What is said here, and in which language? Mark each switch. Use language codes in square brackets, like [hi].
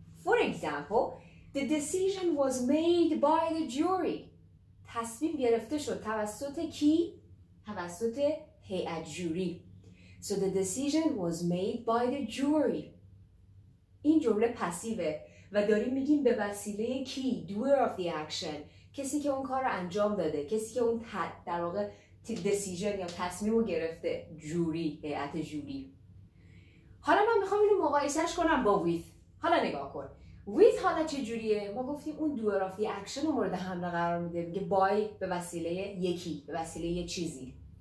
[en] For example, the decision was made by the jury. [fa] تصمیم گرفته شد توسط کی؟ توسط هیئت جوری. [en] So the decision was made by the jury. [fa] این جمله پسیوه و داریم میگیم به وسیله کی؟ [en] doer of the action، [fa] کسی که اون کار رو انجام داده، کسی که اون در واقع decision یا تصمیم رو گرفته، جوری، هیئت جوری. حالا من میخوام اینو مقایسهش کنم با with. حالا نگاه کن with حالا چه جوریه؟ ما گفتیم اون [en] doer of the action [fa] رو مورد حمله قرار میده، میگه by به وسیله یکی، به وسیله یه چیزی.